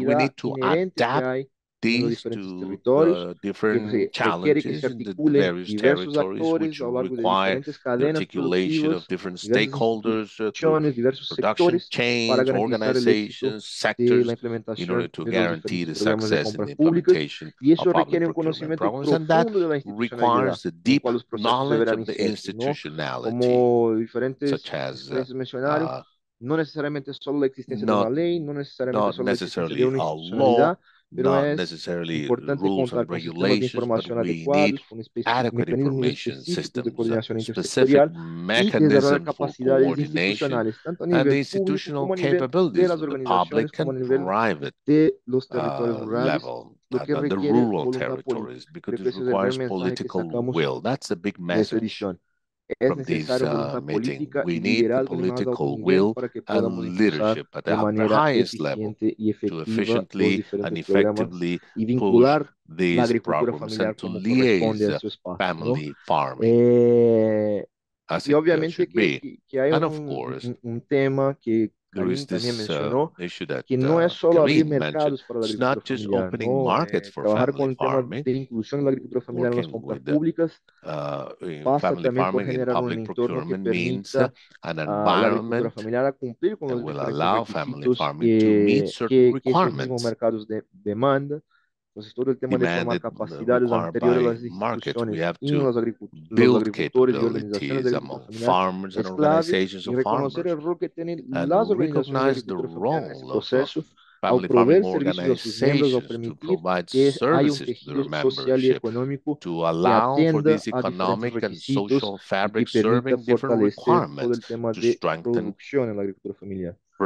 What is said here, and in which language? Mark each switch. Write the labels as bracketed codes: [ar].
[en] We need to adapt these to the different challenges in the various territories, which require the articulation of different stakeholders, production chains, organizations, sectors, in order to guarantee the success and implementation of public procurement programs. And that requires the deep knowledge of the institutionality, such as [es] no necesariamente solo la existencia de una ley, no necesariamente solo la existencia de una institucionalidad, pero es importante contar con sistemas de información adecuados, con mecanismos específicos de coordinación intersectorial y desarrollar capacidades institucionales, tanto a nivel público como a nivel de las organizaciones, como a nivel de los territorios rurales. [en] The rural territories, because it requires political will. That's a big message. From this meeting, we need the political will and leadership at the highest level to efficiently and effectively push these programs and to liaise family farming. As it should be. And of course, there is this issue that Karim mentioned. It's not just opening markets for family farming. Working with family farming and public procurement means an environment that will allow family farming to meet certain requirements. [es] Entonces, todo el tema de formar capacidades anterior a las instituciones en los agricultores y organizaciones de [en] farmers and organizations of farmers. [es] Reconocer el rol que tienen las organizaciones de en este proceso al proveer servicios a sus miembros o permitir que haya un tejido social y económico que atienda a diferentes requisitos y permita fortalecer todo el tema de producción en la agricultura familiar.